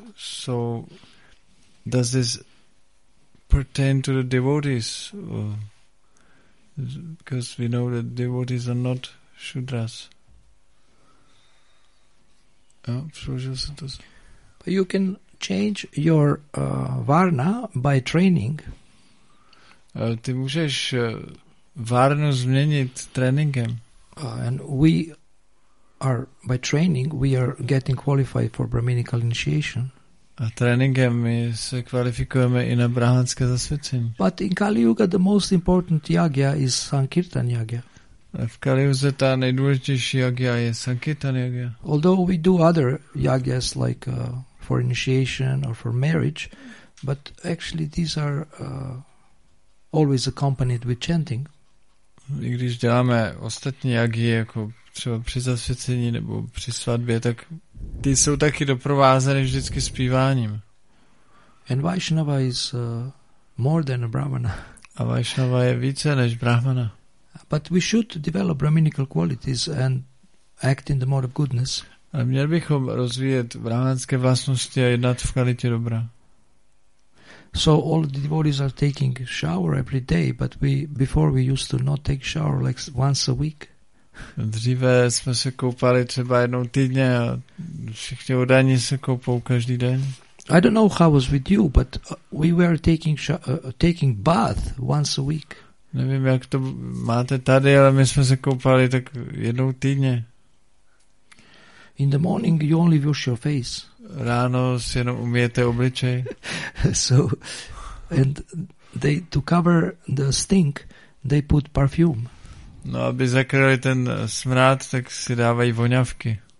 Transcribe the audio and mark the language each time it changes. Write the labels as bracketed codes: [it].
[en] So does this pertain to the devotees? Because we know that devotees are not Shudras. But you can change your varna by training. [cs] Ty můžeš varnu změnit tréninkem. [en] And we are by training we are getting qualified for brahminical initiation. [cs] A tréninkem my se kvalifikujeme i na brahmanské zasvěcení. [en] But in Kali Yuga the most important yagya is Sankirtan yagya. [cs] V Kali Yuze ta nejdůležitější yagya je Sankirtan yagya. [en] Although we do other yagyas like for initiation or for marriage, but actually these are always accompanied with chanting. [cs] I když děláme ostatní jagy, jako třeba při zasvěcení nebo při svatbě, tak ty jsou taky doprovázeny vždycky zpíváním. [en] And Vaishnava is more than a brahmana. [cs] A Vaishnava je více než brahmana. [en] But we should develop brahminical qualities and act in the mode of goodness. [cs] Ale měl bychom rozvíjet brahmanské vlastnosti a jednat v kvalitě dobra. [en] So all the devotees are taking shower every day, but before we used to not take shower like once a week. [cs] Dříve jsme se koupali třeba jednou týdně a všichni udání se koupou každý den. [en] I don't know how it was with you, but we were taking bath once a week. [cs] Nevím, jak to máte tady, ale my jsme se koupali tak jednou týdně. [en] In the morning you only wash your face. [cs] Ráno si jenom umyjete obličej. [en] So and they to cover the stink, they put perfume. [cs] No, aby zakryli ten smrad, tak si dávají voňavky.